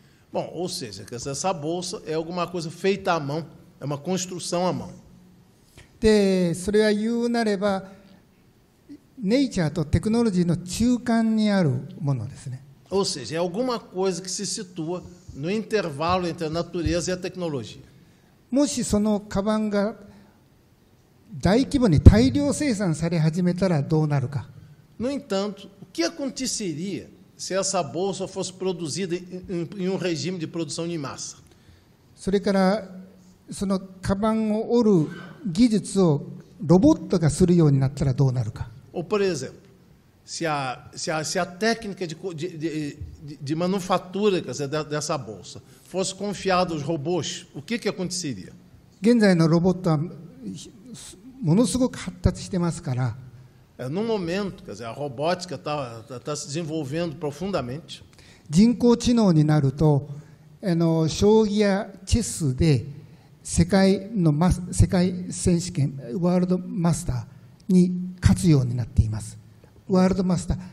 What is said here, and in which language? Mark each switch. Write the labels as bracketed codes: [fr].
[pt] Bom, ou seja, essa bolsa é alguma coisa feita à mão, é uma construção à mão. E isso é dizer que nature e tecnologia no meio do mundo. Ou seja, é alguma coisa que se situa no intervalo entre a natureza e a tecnologia. [ja] もしそのカバンが大規模に大量生産され始めたらどうなるか。 [pt] No entanto, o que aconteceria se essa bolsa fosse produzida em regime de produção em massa? [ja] それからそのカバンを織る技術をロボットがするようになったらどうなるか。 [pt] Ou, por exemplo,Se a técnica de manufatura, quer dizer, dessa bolsa fosse confiada aos robôs, o que aconteceria? [ja] 現在のロボットはものすごく発達してますから。 [pt] No momento, quer dizer, a robótica está se desenvolvendo profundamente. [ja] 人工知能になると、将棋やチェスで世界選手権、ワールドマスターに勝つようになっています。ワールドマスター